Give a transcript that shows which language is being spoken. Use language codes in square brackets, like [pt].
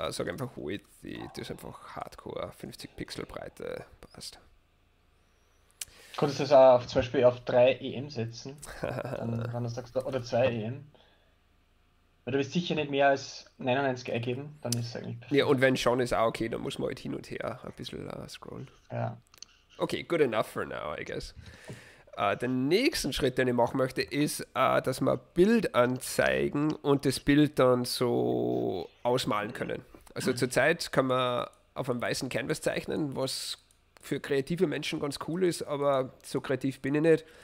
[de] Sag einfach Width, das ist einfach Hardcore, 50 Pixel Breite, passt. Könntest du das auch auf, zum Beispiel auf 3 EM setzen? Dann, wenn du sagst, oder 2 EM. Weil du bist sicher nicht mehr als 99 eingeben, dann ist es eigentlich Ja, und perfekt. wenn schon, ist auch okay, dann muss man halt hin und her ein bisschen scrollen. [en] Okay, good enough for now, I guess. [de] Den nächsten Schritt, den ich machen möchte, ist, dass wir Bild anzeigen und das Bild dann so ausmalen können. Also zurzeit kann man auf einem weißen Canvas zeichnen, was für kreative Menschen ganz cool ist, aber so kreativ bin ich nicht.